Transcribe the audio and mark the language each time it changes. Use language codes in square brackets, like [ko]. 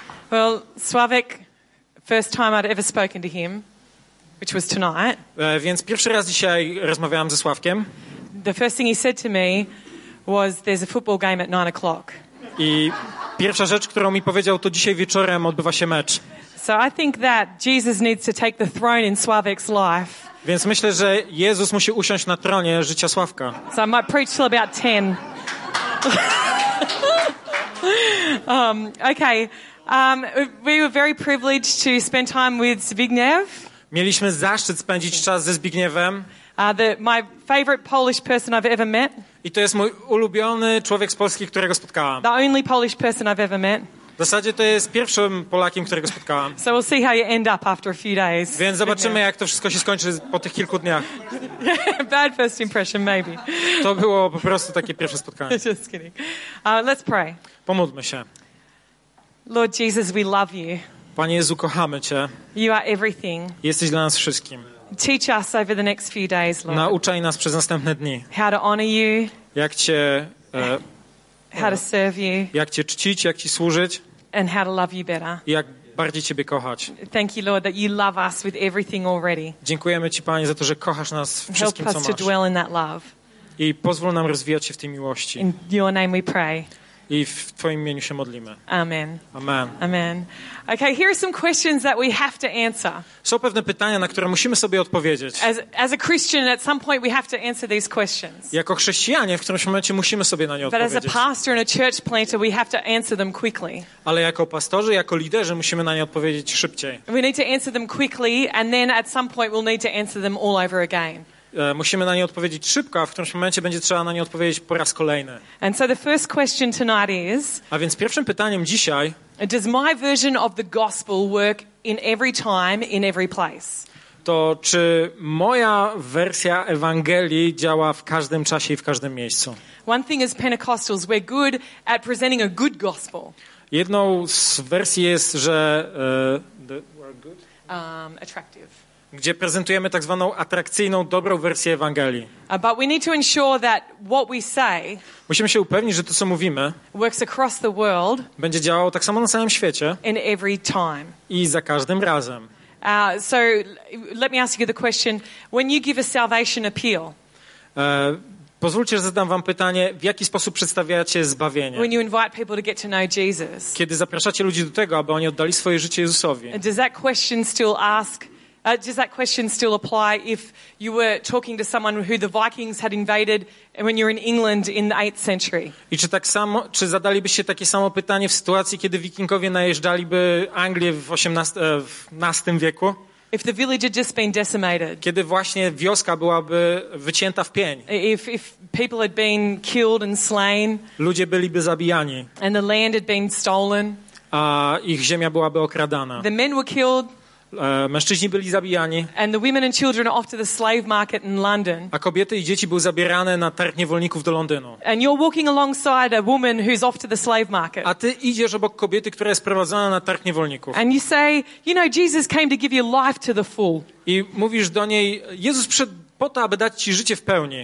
[en] Well, Sławek, first time I'd ever spoken to him, which was tonight. [pl] Więc pierwszy raz dzisiaj rozmawiałam ze Sławkiem. [en] The first thing he said to me was, "There's a football game at 9:00." [pl] I pierwsza rzecz, którą mi powiedział, to dzisiaj wieczorem odbywa się mecz. [en] So I think that Jesus needs to take the throne in Sławek's life. [pl] Więc myślę, że Jezus musi usiąść na tronie życia Sławka. [en] So I might preach till about 10. okay. We were very privileged to spend time with Zbigniew. [pl] Mieliśmy zaszczyt spędzić czas ze Zbigniewem. [en] My favorite Polish person I've ever met. [pl] I to jest mój ulubiony człowiek z Polski, którego spotkałam. [en] The only Polish person I've ever met. [pl] W zasadzie to jest pierwszym Polakiem, którego spotkałam. [en] So we'll see how you end up after a few days. [pl] Więc zobaczymy, jak to wszystko się skończy po tych kilku dniach. [en] Bad first impression, maybe. [pl] To było po prostu takie pierwsze spotkanie. [en] Just kidding. Let's pray. [pl] Pomódlmy się. [en] Lord Jesus, we love you. [pl] Panie Jezu, kochamy Cię. [en] You are everything. [pl] Jesteś dla nas wszystkim. [en] Teach us over the next few days, Lord. [pl] Nauczaj nas przez następne dni. [en] How to honor you. [pl] Jak Cię... [en] How to serve you. [pl] Jak Cię czcić, jak Ci służyć. [en] And how to love you better. [pl] I jak bardziej Ciebie kochać. [en] Thank you, Lord, that you love us with everything already. [pl] Dziękujemy Ci, Panie, za to, że kochasz nas wszystkim, [en] help us [pl] co masz. [en] To dwell in that love. [pl] I pozwól nam rozwijać się w tej miłości. [en] In your name we pray. [pl] I w Twoim imieniu się modlimy. [en] Amen. [pl] Amen. Amen. [en] Okay, here are some questions that we have to answer. [pl] Są pewne pytania, na które musimy sobie odpowiedzieć. [en] As a Christian, at some point we have to answer these questions. [pl] Jako chrześcijanie, w którymś momencie musimy sobie na nie odpowiedzieć. [en] But as a pastor and a church planter, we have to answer them quickly. [pl] Ale jako pastorzy, jako liderzy, musimy na nie odpowiedzieć szybciej. [en] We need to answer them quickly, and then at some point we'll need to answer them all over again. [pl] Musimy na nie odpowiedzieć szybko, a w którymś momencie będzie trzeba na nie odpowiedzieć po raz kolejny. [en] And so the first question tonight is, [pl] a więc pierwszym pytaniem dzisiaj, [en] does my version of the gospel work in every time, in every place? [pl] To czy moja wersja Ewangelii działa w każdym czasie i w każdym miejscu? [en] One thing is Pentecostals, we're good at presenting a good gospel. [pl] Jedną z wersji jest, że [en] we're good? Attractive. [pl] Gdzie prezentujemy tak zwaną atrakcyjną, dobrą wersję Ewangelii. [en] But we need to ensure that what we say, [pl] musimy się upewnić, że to, co mówimy, [en] works across the world, [pl] będzie działało tak samo na całym świecie [en] in every time. [pl] I za każdym razem. [en] So let me ask you the question. When you give a salvation appeal. [pl] Pozwólcie, że zadam wam pytanie, w jaki sposób przedstawiacie zbawienie? [en] When you invite people to get to know Jesus. [pl] Kiedy zapraszacie ludzi do tego, aby oni oddali swoje życie Jezusowi. [en] Does that question still ask? Does that question still apply if you were talking to someone who the Vikings had invaded and when you're in England in the 8th century? [pl] I czy tak samo, czy zadalibyście takie samo pytanie w sytuacji, kiedy Wikingowie najeżdżaliby Anglię w 18 wieku? [en] If the village had just been decimated. [pl] Kiedy właśnie wioska byłaby wycięta w pień. [en] If people had been killed and slain. [pl] Ludzie byliby zabijani. [en] And the land had been stolen. [pl] A ich ziemia byłaby okradana. [en] The men were killed. [pl] Mężczyźni byli zabijani. [en] And the women and children off to the slave market in London. [pl] A kobiety i dzieci były zabierane na targ niewolników do Londynu. [en] And you're walking alongside a woman who's off to the slave market. [pl] A ty idziesz obok kobiety, która jest prowadzona na targ niewolników. [en] And you say, you know, Jesus came to give you life to the full. [pl] I mówisz do niej, Jezus przyszedł po to, aby dać ci życie w pełni.